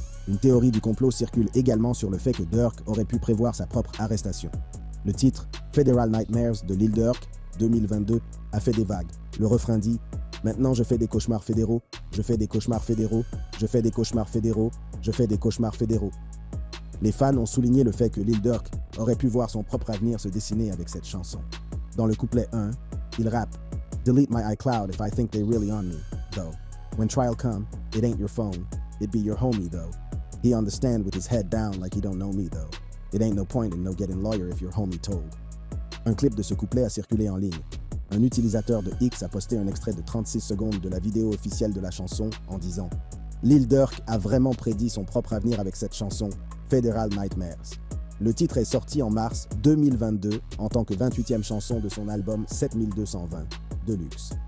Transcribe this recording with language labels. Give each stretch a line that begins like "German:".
French: Une théorie du complot circule également sur le fait que Dirk aurait pu prévoir sa propre arrestation. Le titre « Federal Nightmares » de Lil Dirk 2022 a fait des vagues. Le refrain dit « Maintenant je fais des cauchemars fédéraux, je fais des cauchemars fédéraux, je fais des cauchemars fédéraux, je fais des cauchemars fédéraux ». Les fans ont souligné le fait que Lil Durk aurait pu voir son propre avenir se dessiner avec cette chanson. Dans le couplet 1, il rappe
English: « Delete my iCloud if I think they really on me, though. When trial come, it ain't your phone, it be your homie, though. He understand with his head down like he don't know me, though. It ain't no point in no getting lawyer if your homie told. »
French: Un clip de ce couplet a circulé en ligne. Un utilisateur de X a posté un extrait de 36 secondes de la vidéo officielle de la chanson en disant « Lil Durk a vraiment prédit son propre avenir avec cette chanson, Federal Nightmares ». Le titre est sorti en mars 2022 en tant que 28e chanson de son album 7220, Deluxe.